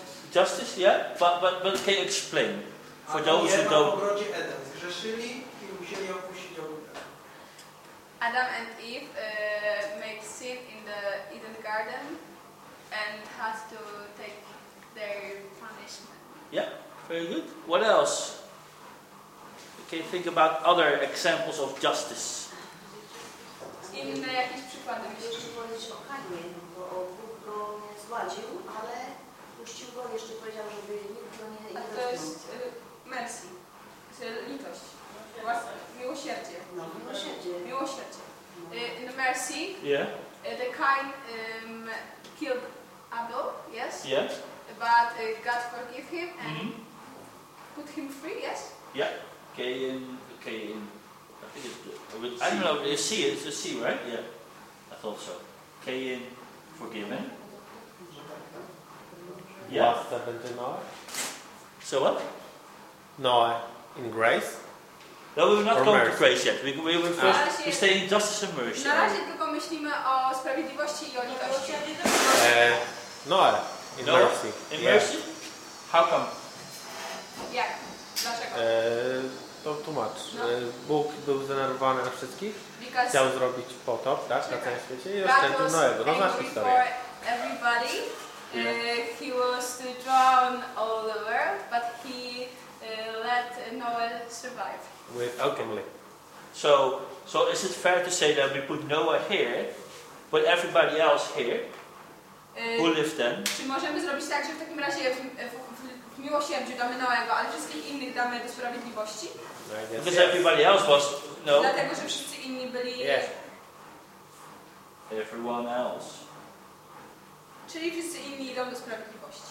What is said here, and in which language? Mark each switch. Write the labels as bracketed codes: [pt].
[en] justice, yeah, but can you explain for those who don't? [pl] W ogrodzie Eden zgrzeszyli i musieli opuścić ogrodę. [en] Adam and Eve made sin in the Eden garden and had to take their punishment. Yeah, very good. What else? Can you think about other examples of justice? [pl] Inne jakieś przykłady? Musimy przypomnieć o Kainie, bo Bóg go nie zgładził, ale puścił go, jeszcze powiedział, żeby nikt go nie... A to jest mercy, litość, miłosierdzie. No, miłosierdzie. Miłosierdzie. [en] In the mercy, yeah. The Kain killed Abel, yes? Yes. But God forgive him and put him free, yes? Yeah. Cain, I think it's, I don't know, it's a C, right? Yeah, I thought so. Cain, forgiven. Yeah. So what? Noah, in grace? No, we will not come to grace yet. We will first stay in justice and mercy. [pl] Na razie tylko myślimy o sprawiedliwości i o litości. [en] Noah, in Noah, mercy. In mercy? How come? [pl] Jak? Dlaczego? To tłumacz. No. Bóg był zdenerwowany na wszystkich. [en] Because [pl] chciał zrobić potop, tak, na całym świecie i oszczędził Noego. No znasz historię. [en] Everybody. Yeah. He was to drown all the world, but he let Noah survive. With openly. So is it fair to say that we put Noah here, but everybody else here? Who lived then? [pl] Czy możemy zrobić tak, że w takim razie miłosierdziu damy Noego, ale wszystkich innych damy do sprawiedliwości. [en] Because everybody else was, no. [pl] Dlatego, że wszyscy inni byli... [en] Yes. Everyone else. [pl] Czyli wszyscy inni idą do sprawiedliwości.